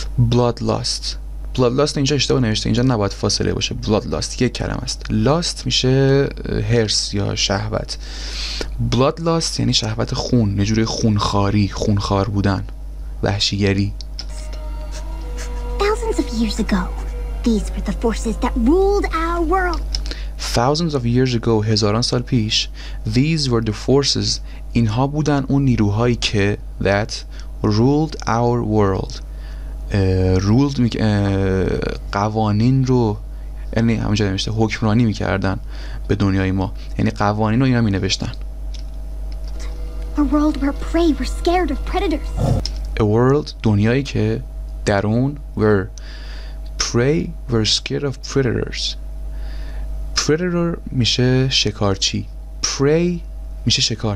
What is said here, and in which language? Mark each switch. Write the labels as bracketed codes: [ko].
[en] Bloodlust. [fa] Bloodlust اینجا اشتباه نوشته، اینجا نباید فاصله باشه. Bloodlust یک کلمه است. Lust میشه هرس یا شهوت. Bloodlust یعنی شهوت خون، یه جوری خونخواری، خونخوار بودن، وحشیگری. [en] Thousands of years ago, these were the forces that ruled our world. Thousands of years ago, [fa] هزاران سال پیش، [en] these were the forces، [fa] اینها بودن اون نیروهایی که [en] that ruled our world. [fa] ruled قوانین رو، یعنی همونجا نمیشته حکمرانی میکردن به دنیای ما، یعنی قوانین رو اینا مینوشتن. [en] A world where prey were scared of predators. A world، [fa] دنیایی که در اون [en] where prey were scared of predators. [fa] Predator میشه شکارچی. Prey میشه شکار.